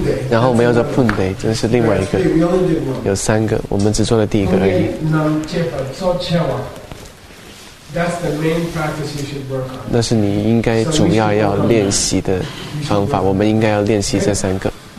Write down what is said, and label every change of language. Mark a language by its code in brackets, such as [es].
[zh] 然后我们要做 Punde， 这是另外一个。有三个，我们只做了第一个而已。 [en] That's the main practice you should work on. [zh] 那是你应该主要要练习的方法。我们应该要练习这三个。